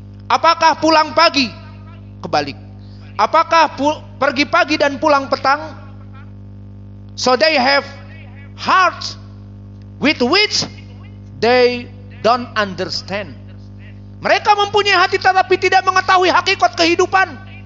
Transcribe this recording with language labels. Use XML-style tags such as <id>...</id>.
<id>Apakah pulang pagi kebalik? Apakah pergi pagi dan pulang petang?</id> <en>So they have hearts with which they don't understand.</en> <id>Mereka mempunyai hati tetapi tidak mengetahui hakikat kehidupan.</id>